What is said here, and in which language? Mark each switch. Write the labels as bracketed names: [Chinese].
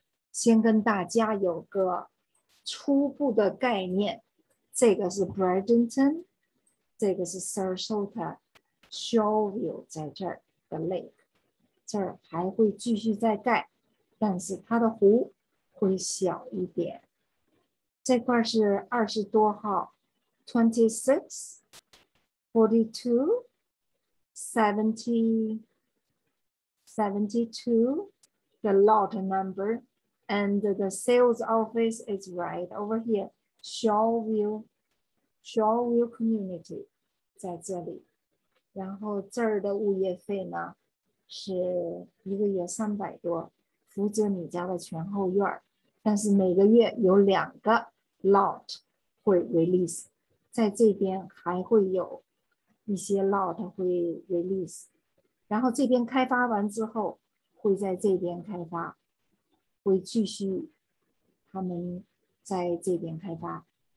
[Chinese] 先跟大家有个初步的概念，这个是 Bradenton， 这个是 Sarasota， Shoreview 在这儿的 lake， 这儿还会继续再盖，但是它的湖会小一点。这块是20多号 [English] 26 42 70 72, the lot numberAnd the sales office is right over here, Shoreview Community [Chinese] 在这里。然后这儿的物业费呢是一个月300多，负责你家的前后院，但是每个月有两个 lot 会 release， 在这边还会有一些 lot 会 release， 然后这边开发完之后会在这边开发，会继续他们在这边开发。